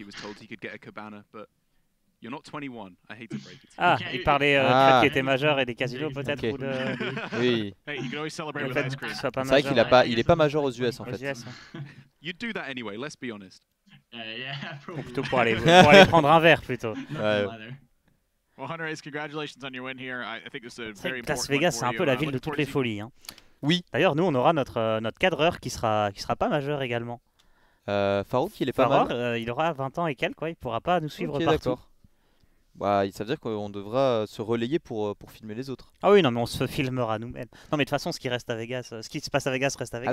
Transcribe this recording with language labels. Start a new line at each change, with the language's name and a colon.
English: He was told he could get a cabana, but you're not 21. I hate to break it.
French: Ah, il parlait qui était majeur et des casinos peut-être. Oui.
English: Hey, you can always celebrate with ice cream.
French: C'est vrai qu'il a pas, il est pas majeur aux US en fait.
English: You'd do that anyway, let's be honest. Yeah,
French: plutôt pour aller prendre un verre plutôt.
English: Well, Hunter Ace, congratulations on your win here. I think this is a very important
French: Las Vegas, c'est un peu la ville de toutes les folies, hein. Oui. D'ailleurs, nous on aura notre cadreur qui sera pas majeur également. Farouk, il est pas majeur. Il aura 20 ans et quelques, quoi, il pourra pas nous suivre partout. D'accord. Bah, ça veut dire qu'on devra se relayer pour filmer les autres. Ah oui, non, mais on se filmera nous-mêmes. Non, mais de toute façon, ce qui reste à Vegas, ce qui se passe à Vegas reste à Vegas.